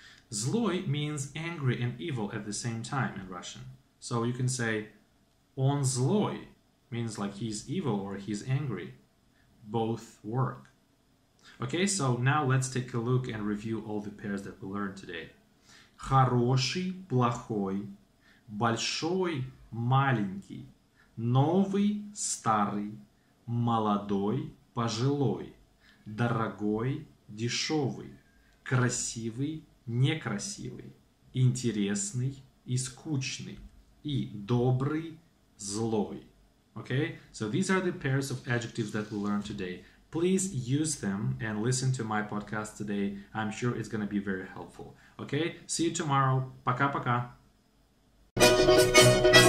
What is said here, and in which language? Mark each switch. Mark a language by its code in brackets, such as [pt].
[en] Злой means angry and evil at the same time in Russian. So you can say [ru] он злой [en] means like he's evil or he's angry. Both work. Okay, so now let's take a look and review all the pairs that we learned today. [ru] Хороший, плохой, большой, маленький, новый, старый, молодой, пожилой, дорогой, дешевый, красивый, некрасивый, интересный и скучный, и добрый, злой. [en] Okay, so these are the pairs of adjectives that we learned today. Please use them and listen to my podcast today. I'm sure it's going to be very helpful. Okay, see you tomorrow. [ru] Пока-пока.